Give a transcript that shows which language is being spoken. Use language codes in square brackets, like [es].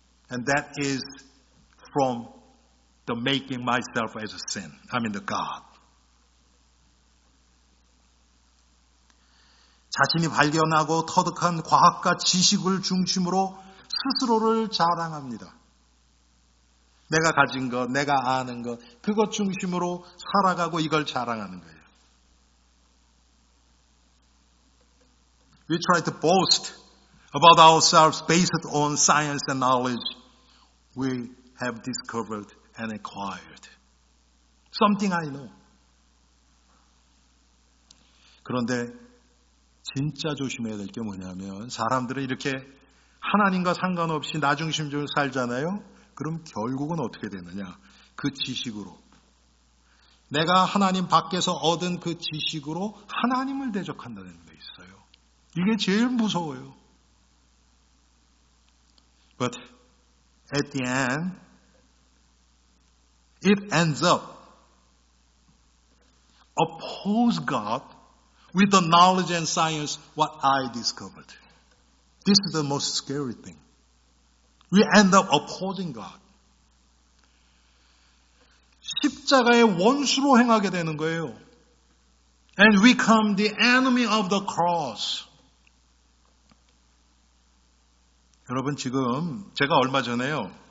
[en] And that is from the making myself as a sin. I mean the God. [ko] 자신이 발견하고 터득한 과학과 지식을 중심으로 스스로를 자랑합니다. 내가 가진 것, 내가 아는 것, 그것 중심으로 살아가고 이걸 자랑하는 거예요. [en] We try to boast about ourselves based on science and knowledge we have discovered and acquired. Something I know. [ko] 그런데 진짜 조심해야 될 게 뭐냐면 사람들은 이렇게 하나님과 상관없이 나 중심적으로 살잖아요. 그럼 결국은 어떻게 되느냐. 그 지식으로. 내가 하나님 밖에서 얻은 그 지식으로 하나님을 대적한다는 게 있어요. 이게 제일 무서워요. [en] But at the end, it ends up oppose God with the knowledge and science what I discovered. This is the most scary thing. We end up opposing God. [ko] 십자가의 원수로 행하게 되는 거예요. [en] And we become the enemy of the cross. [ko] 여러분 지금 제가 얼마 전에요.